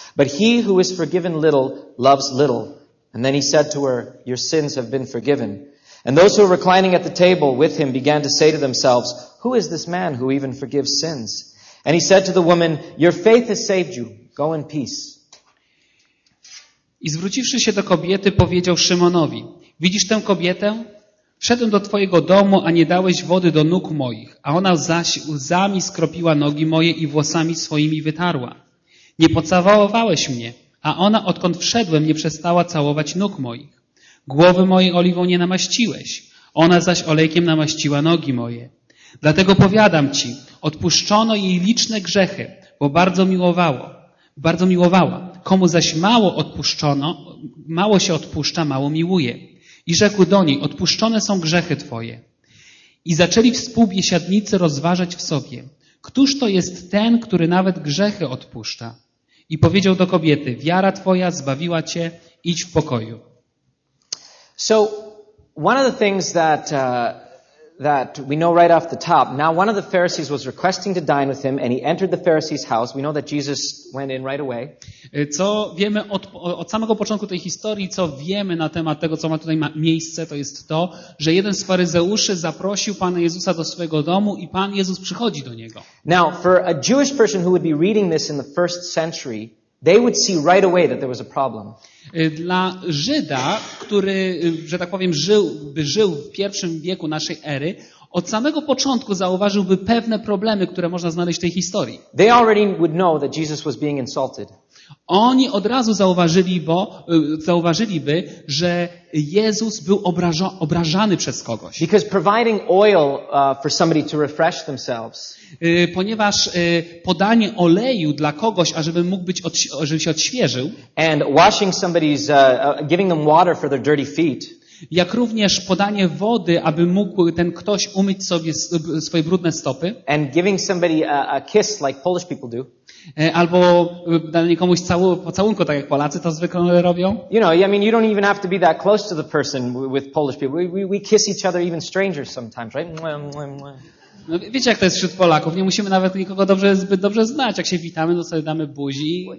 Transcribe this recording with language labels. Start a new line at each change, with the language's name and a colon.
English: But he who is forgiven little loves little. And then he said to her, your sins have been forgiven. And those who were reclining at the table with him began to say to themselves, who is this man who even forgives sins? And he said to the woman, your faith has saved you. Go in peace.
Polish: I zwróciwszy się do kobiety, powiedział Szymonowi, widzisz tę kobietę? Wszedłem do twojego domu, a nie dałeś wody do nóg moich, a ona zaś łzami skropiła nogi moje i włosami swoimi wytarła. Nie pocałowałeś mnie, a ona, odkąd wszedłem, nie przestała całować nóg moich. Głowy mojej oliwą nie namaściłeś, ona zaś olejkiem namaściła nogi moje. Dlatego powiadam ci, odpuszczono jej liczne grzechy, bo bardzo miłowała. Komu zaś mało odpuszczono, mało się odpuszcza, mało miłuje. I rzekł do niej, odpuszczone są grzechy twoje. I zaczęli współbiesiadnicy rozważać w sobie, któż to jest ten, który nawet grzechy odpuszcza? I powiedział do kobiety, wiara twoja zbawiła cię, idź w pokoju.
English: So one of the things that that we know right off the top, now one of the Pharisees was requesting to dine with him and he entered the Pharisee's house. We know that Jesus went in right away.
Polish: Co wiemy od samego początku tej historii, co wiemy na temat tego, co ma tutaj miejsce, to jest to, że jeden z faryzeuszy zaprosił Pana Jezusa do swojego domu i Pan Jezus przychodzi do niego.
English: Now for a Jewish person who would be reading this in the first century, they would see right away that there was a problem.
Polish: Dla Żyda, który, że tak powiem, żył w pierwszym wieku naszej ery, od samego początku zauważyłby pewne problemy, które można znaleźć w tej historii.
English: They already would know that Jesus was being insulted.
Polish: Oni od razu zauważyliby, że Jezus był obrażany przez kogoś.
English: Because providing oil for somebody to refresh themselves.
Polish: Ponieważ podanie oleju dla kogoś, ażeby mógł być żeby się odświeżył.
English: And washing somebody's giving them water for their dirty feet.
Polish: Jak również podanie wody, aby mógł ten ktoś umyć sobie swoje brudne stopy.
English: And giving somebody a kiss like Polish people do.
Polish: Albo danie komuś pocałunku, tak jak Polacy to zwykle robią.
English: You know, I mean, you don't even have to be that close to the person with Polish people. We kiss each other, even strangers sometimes, right? Mwah, mwah, mwah.
Polish: No, wiecie, jak to jest wśród Polaków. Nie musimy nawet nikogo zbyt dobrze znać. Jak się witamy, to sobie damy buzi.